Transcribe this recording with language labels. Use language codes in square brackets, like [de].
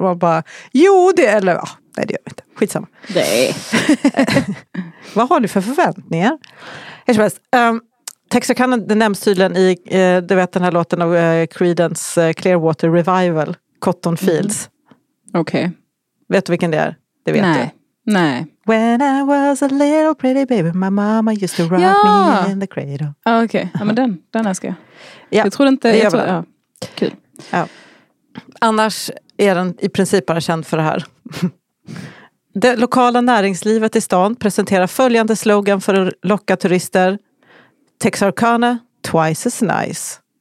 [sv] Man bara, jo det, eller ja, nej det gör vi inte. Skitsamma. Nej. Vad har ni för förväntningar? Hur som helst. Texarkana, det nämns tydligen i du vet, den här låten av Creedence Clearwater Revival, Cotton Fields. Okej. Okay. Vet du vilken det är? Det vet nej. Du. Nej. [en] When I was a little pretty baby, my mama used to rock me in the cradle. [sv] Okej, okay. Ja, men den älskar jag. Ja, jag tror inte, jag tror, ja. Kul. Ja. Annars är den i princip bara känd för det här. Det lokala näringslivet i stan presenterar följande slogan för att locka turister: Texarkana, [en] twice as nice.